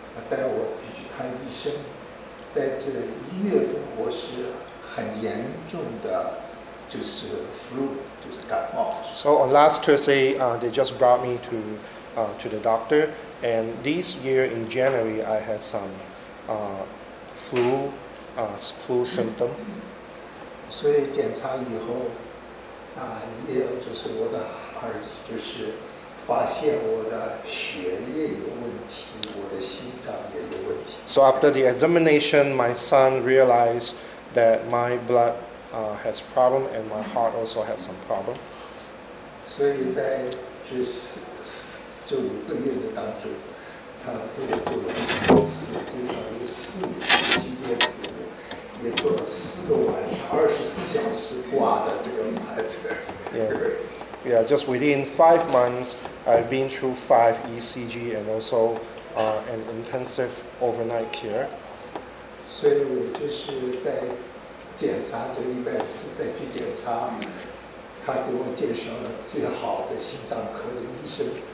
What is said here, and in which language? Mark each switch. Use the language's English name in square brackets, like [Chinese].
[Chinese] 带我去看医生，在这一月份我是很严重的，就是 flu， 就是感冒。 [English] So on last Thursday, they just brought me to the doctor. And this year in January, I had some flu symptom. [Chinese] 所以检查以后，也就是我的儿子就是。发现我的血液有问题，我的心脏也有问题。 [English] So after the examination, my son realized that my blood has problem and my heart also has some problem. [Chinese] 所以在这五个月的当中，他对我做了四次心电图，也做了四个晚上24小时挂的这个麻醉。 [English] Yeah, just within 5 months, I've been through 5 ECG and also an intensive overnight care. So I was just in the test, on the 4th, in the test, he gave me the best heart surgeon to test me.